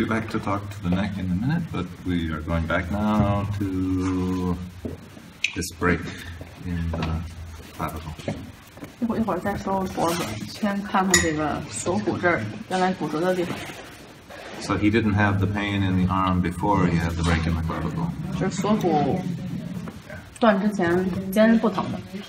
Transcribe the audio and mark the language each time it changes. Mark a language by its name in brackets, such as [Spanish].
[English] To talk to the neck in a minute, but we are going back now to this break in the clavicle. [Chinese] 一会儿再收脖子，先看看这个锁骨这儿，原来骨折的地方。 [English] So he didn't have the pain in the arm before he had the break in the clavicle. [Chinese] 就是锁骨断之前肩不疼的。